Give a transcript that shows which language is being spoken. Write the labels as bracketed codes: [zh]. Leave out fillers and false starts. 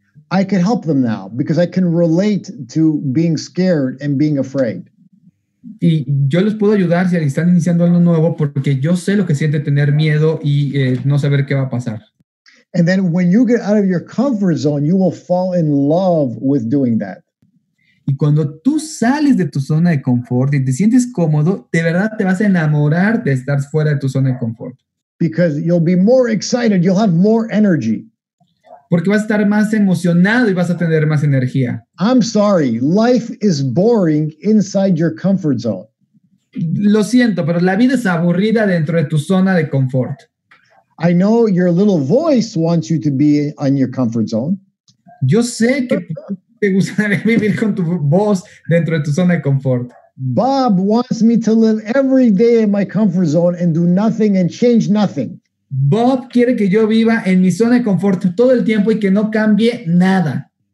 [en] I can help them now because I can relate to being scared and being afraid. [es] Y yo les puedo ayudar si están iniciando algo nuevo porque yo sé lo que siente tener miedo y no saber qué va a pasar. [en] And then when you get out of your comfort zone, you will fall in love with doing that. [es] Y cuando tú sales de tu zona de confort y te sientes cómodo, de verdad te vas a enamorar de estar fuera de tu zona de confort. [en] Because you'll be more excited, you'll have more energy. [es] Porque vas a estar más emocionado y vas a tener más energía. [en] I'm sorry, life is boring inside your comfort zone. [es] Lo siento, pero la vida es aburrida dentro de tu zona de confort. [en] I know your little voice wants you to be in your comfort zone. [es] Yo sé que te gustaría vivir con tu voz dentro de tu zona de confort. [en] Bob wants me to live every day in my comfort zone and do nothing and change nothing. [es] Bob quiere que yo viva en mi zona de confort todo el tiempo y que no cambie nada.